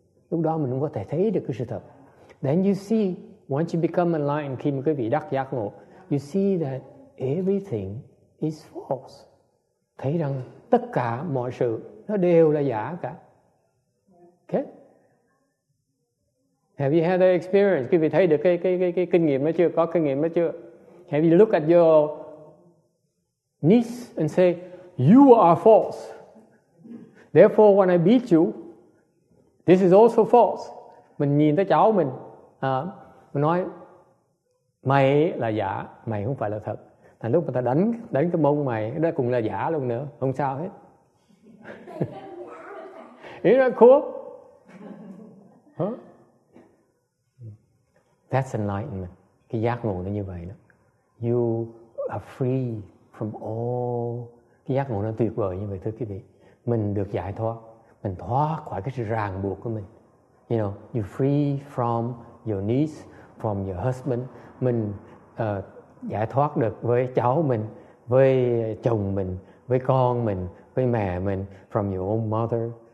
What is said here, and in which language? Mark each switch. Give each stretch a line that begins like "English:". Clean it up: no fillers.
Vietnamese: Lúc đó mình cũng có thể thấy được cái sự thật.
English: Then you see, once you become enlightened,
Vietnamese: khi mà quý vị đắc giác ngộ,
English: you see that everything is false.
Vietnamese: Thấy rằng tất cả mọi sự nó đều là giả cả. Okay?
English: Have you had that experience?
Vietnamese: Quý vị thấy được cái kinh nghiệm đó chưa? Có kinh nghiệm đó chưa?
English: Have you looked at your niece and say, you are false. Therefore, when I beat you, this is also false.
Vietnamese: Mình nhìn tới cháu mình nói, mày là giả, mày không phải là thật. Thành lúc mà ta đánh cái mông mày, đó cũng là giả luôn nữa, không sao hết.
English: Isn't that cool? Huh? That's enlightenment.
Vietnamese: Cái giác ngộ nó như vậy đó.
English: You are free from all.
Vietnamese: Cái giác ngộ nó tuyệt vời như vậy thưa quý vị. Mình được giải thoát, mình thoát khỏi cái ràng buộc của mình.
English: You know, you're free from your niece, from your husband.
Vietnamese: Mình giải thoát được với cháu mình, với chồng mình, với con mình, với mẹ mình,
English: from your own mother.